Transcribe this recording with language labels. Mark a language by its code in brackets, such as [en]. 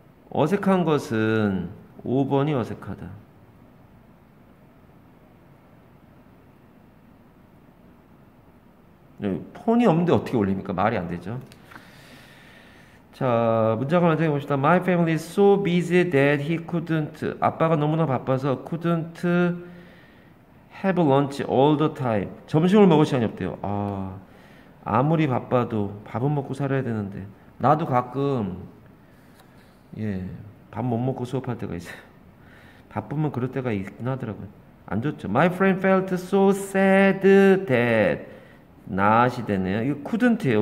[ko] 어색한 것은 5번이 어색하다. 폰이 없는데 어떻게 올립니까? 말이 안 되죠. 자, 문장을 완성해 봅시다. [en] My family is so busy that he couldn't. [ko] 아빠가 너무나 바빠서 [en] couldn't have lunch all the time. [ko] 점심을 먹을 시간이 없대요. 아, 아무리 바빠도 밥은 먹고 살아야 되는데. 나도 가끔, 예, 밥 못 먹고 수업할 때가 있어요. 바쁘면 그럴 때가 있긴 하더라고요. 안 좋죠. [en] My friend felt so sad that. [ko] not이 되네요. 이거 couldn't예요.